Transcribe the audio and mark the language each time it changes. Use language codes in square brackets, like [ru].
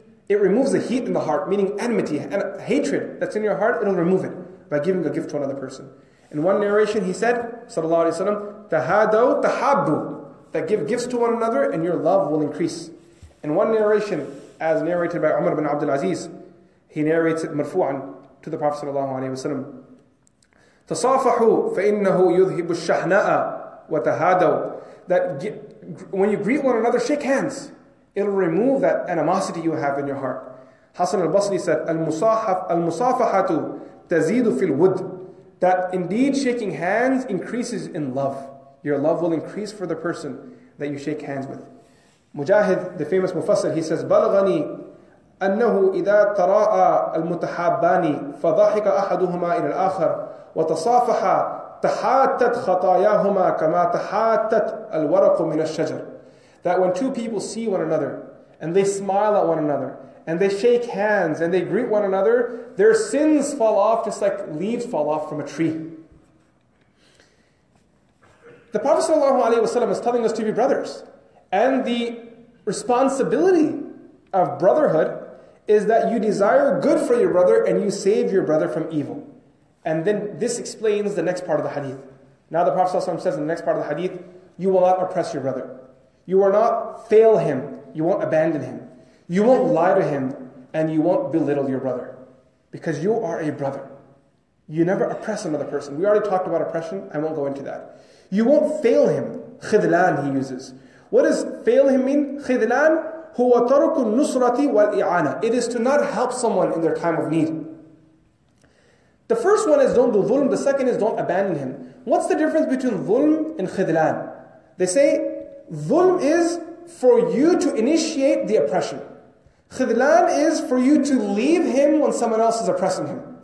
[en] It removes the heat in the heart, meaning enmity and hatred that's in your heart, it'll remove it by giving a gift to another person. In one narration, he said, sallallahu alayhi wa sallam, [ar] tahadaw tahabbu, [en] that give gifts to one another and your love will increase. In one narration, as narrated by Umar bin Abdul Aziz, he narrates it marfu'an to the Prophet sallallahu alayhi wa sallam. [ar] تصافحوا فإنه يذهب الشحناء وتهادوا. [en] That when you greet one another, shake hands. It'll remove that animosity you have in your heart. Hasan al-Basri said, [ar] المصافحة تزيد في الود. [en] That indeed shaking hands increases in love. Your love will increase for the person that you shake hands with. Mujahid, the famous Mufassir, he says, [ar] بلغني أنه إذا تراءى المتحابان فضحك أحدهما إلى الآخر وتصافحا تحاتت خطاياهما كما تحاتت الورق من الشجر. [en] That when two people see one another and they smile at one another and they shake hands and they greet one another, their sins fall off just like leaves fall off from a tree. The Prophet sallallahu alaihi wasallam is telling us to be brothers, and the responsibility of brotherhood is that you desire good for your brother and you save your brother from evil. And then this explains the next part of the hadith. Now the Prophet sallallahu alaihi wasallam says in the next part of the hadith, you will not oppress your brother. You will not fail him. You won't abandon him. You won't lie to him. And you won't belittle your brother. Because you are a brother. You never oppress another person. We already talked about oppression. I won't go into that. You won't fail him. خذلان he uses. What does fail him mean? [ar] خذلان هو ترك النصرة والإعانة. [en] It is to not help someone in their time of need. The first one is don't do ظلم. The second is don't abandon him. What's the difference between ظلم and خذلان? They say, ظلم is for you to initiate the oppression. خذلان is for you to leave him when someone else is oppressing him.